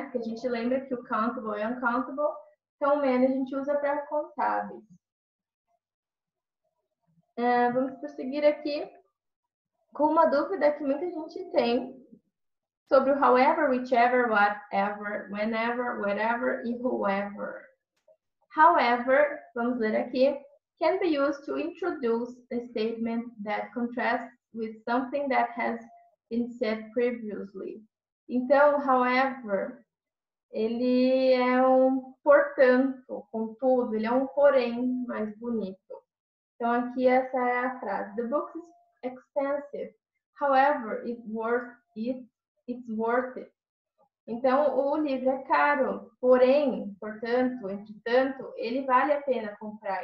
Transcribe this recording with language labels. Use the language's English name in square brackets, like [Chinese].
[Portuguese] Porque a gente lembra que o countable é uncountable. Então, many a gente usa para contáveis. Vamos prosseguir aqui com uma dúvida que muita gente tem sobre o however, whichever, whatever, whenever, whatever e whoever. [English] However, [Portuguese] vamos ler aqui, [English] can be used to introduce a statement that contrasts with something that has been said previously. Então, however, [Portuguese] Ele é um portanto, contudo, ele é um porém mais bonito. Então, aqui essa é a frase. [English] The book is expensive. However, it's worth it. [Portuguese] Então, o livro é caro, porém, portanto, entretanto, ele vale a pena comprar.